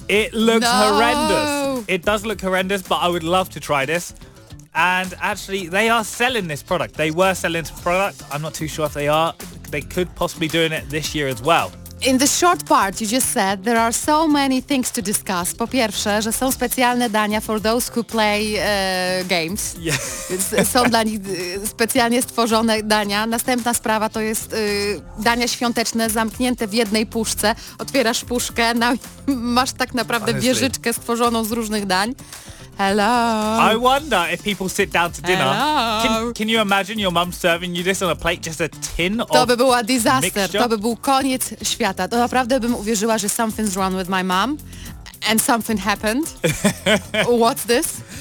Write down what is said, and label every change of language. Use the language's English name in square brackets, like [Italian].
[English] It looks horrendous. It does look horrendous, but I would love to try this. And actually, they are selling this product. They were selling this product. I'm not too sure if they are. They could possibly be doing it this year as well. In the short part you just said, there are so many things to discuss. [Polish] Po pierwsze, że są specjalne dania [English] for those who play games. Yeah. [Polish] Są dla nich specjalnie stworzone dania. Następna sprawa to jest dania świąteczne zamknięte w jednej puszce. Otwierasz puszkę, masz tak naprawdę wieżyczkę stworzoną z różnych dań. [English] Hello. I wonder if people sit down to dinner. Can you imagine your mum serving you this on a plate, just a tin of [Polish] To by była disaster. To by był koniec świata. To naprawdę bym uwierzyła, że [English] something's wrong with my mom and something happened. What's this?